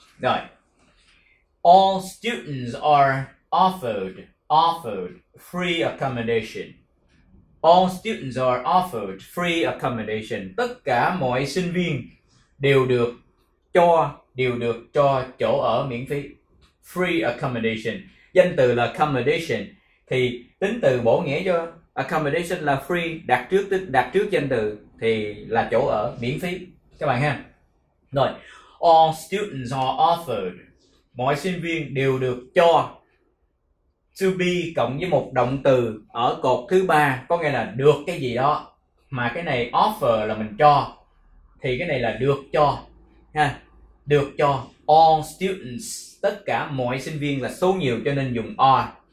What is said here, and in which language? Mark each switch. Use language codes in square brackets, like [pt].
[en] Rồi, all students are offered free accommodation. All students are offered free accommodation. [vi] Tất cả mọi sinh viên đều được cho đều được cho chỗ ở miễn phí. [en] Free accommodation. [vi] Danh từ là accommodation thì tính từ bổ nghĩa cho accommodation là free, đặt trước danh từ thì là chỗ ở miễn phí các bạn ha. [en] Rồi, all students are offered. [vi] Mọi sinh viên đều được cho. To be cộng với một động từ ở cột thứ ba có nghĩa là được cái gì đó, mà cái này offer là mình cho thì cái này là được cho ha. Được cho [en] all students, [vi] tất cả mọi sinh viên là số nhiều cho nên dùng are.